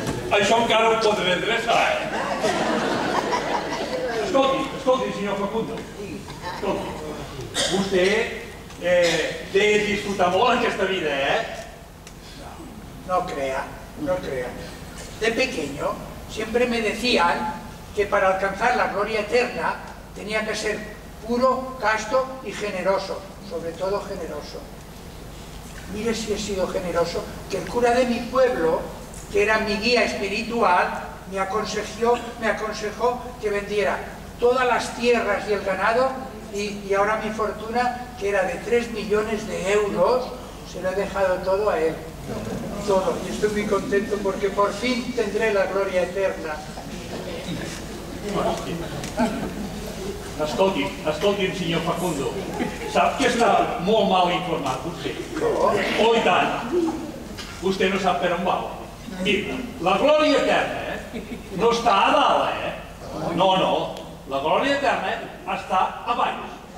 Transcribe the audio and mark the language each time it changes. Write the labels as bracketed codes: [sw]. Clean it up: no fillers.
[ca] Això encara ho podré endreçar, eh? Escolti, escolti, senyor Facundo. Escolti, vostè té disfrutat molt aquesta vida, eh? No, no crea, no crea. [es] De pequeño siempre me decían que para alcanzar la gloria eterna tenía que ser puro, casto y generoso, sobre todo generoso. Mire si he sido generoso, que el cura de mi pueblo, que era mi guía espiritual, me aconsejó que vendiera todas las tierras y el ganado, y ahora mi fortuna, que era de 3 millones de euros, se lo he dejado todo a él. Todo, y estoy muy contento porque por fin tendré la gloria eterna. [ca] Escolti, escolti, senyor Facundo, sap que està molt mal informat, vostè? Com? Oh, i tant! Vostè no sap per on va. Mira, la gloria eterna, no està a dalt, eh? No, no, la gloria eterna està a baix.